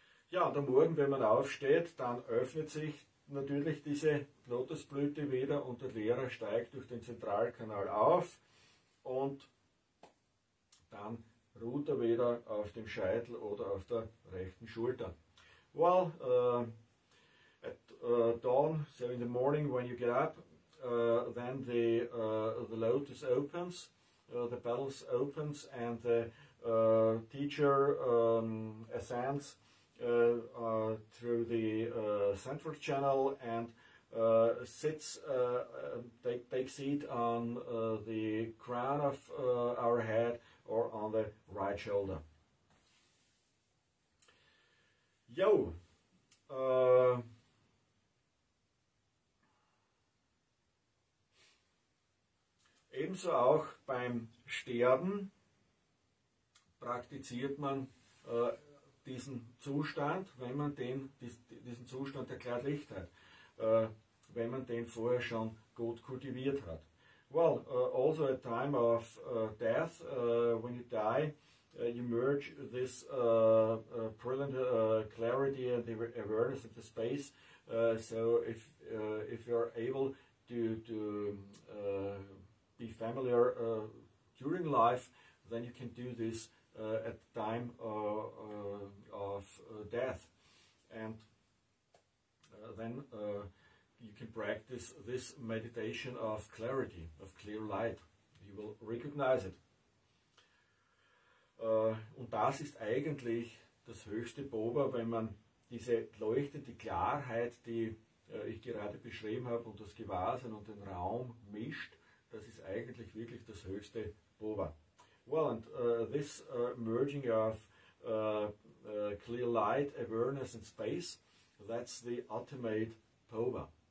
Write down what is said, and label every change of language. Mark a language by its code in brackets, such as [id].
[de] Ja, und am Morgen, wenn man aufsteht, dann öffnet sich natürlich diese Lotusblüte wieder und der Lehrer steigt durch den Zentralkanal auf und dann ruht er wieder auf dem Scheitel oder auf der rechten Schulter. [en] Well, at dawn, so in the morning when you get up, then the lotus opens, the petals opens, and the teacher ascends through the central channel and sits, take seat on the crown of our head or on the right shoulder. [de] Yo, ebenso auch beim Sterben praktiziert man diesen Zustand, wenn man den, diesen Zustand der Klarlichtheit, wenn man den vorher schon gut kultiviert hat. [en] Well, also a time of death, when you die, you merge this brilliant clarity and the awareness of the space. So if you're able to be familiar during life, then you can do this at the time of death. And then you can practice this meditation of clarity, of clear light. You will recognize it. [de] Und das ist eigentlich das höchste Boba, wenn man diese leuchtende Klarheit, die ich gerade beschrieben habe, und das Gewahrsein und den Raum mischt. Das ist eigentlich wirklich das höchste Boba. [en] Well, and this merging of clear light, awareness and space, that's the ultimate Boba.